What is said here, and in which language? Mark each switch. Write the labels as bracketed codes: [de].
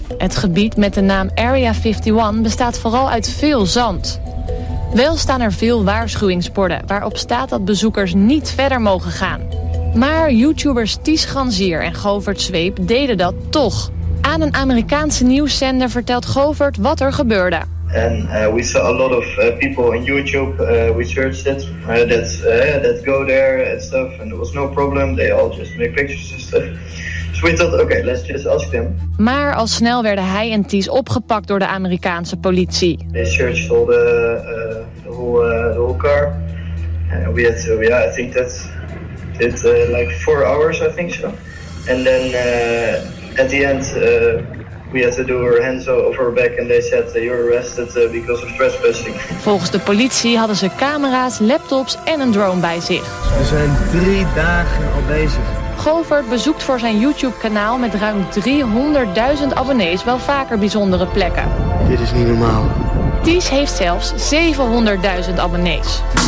[nl] Het gebied met de naam Area 51 bestaat vooral uit veel zand. Wel staan er veel waarschuwingsborden waarop staat dat bezoekers niet verder mogen gaan. Maar YouTubers Ties Ganzier en Govert Zweep deden dat toch. Aan een Amerikaanse nieuwszender vertelt Govert wat er gebeurde. [en] And we saw a lot of people on YouTube. We searched it. That go there and stuff. And there was no problem. They all just make pictures and stuff. So we thought, okay, let's just ask them. [nl] Maar al snel werden hij en Ties opgepakt door de Amerikaanse politie. [en] They searched all the whole car. And we had to, yeah, I think that's it. Like 4 hours, I think so. And then at the end. We had to do our hands over our back and they said you're arrested because of trespassing. [nl] Volgens de politie hadden ze camera's, laptops en een drone bij zich. We zijn 3 dagen al bezig. Govert bezoekt voor zijn YouTube-kanaal met ruim 300.000 abonnees wel vaker bijzondere plekken. Dit is niet normaal. Ties heeft zelfs 700.000 abonnees.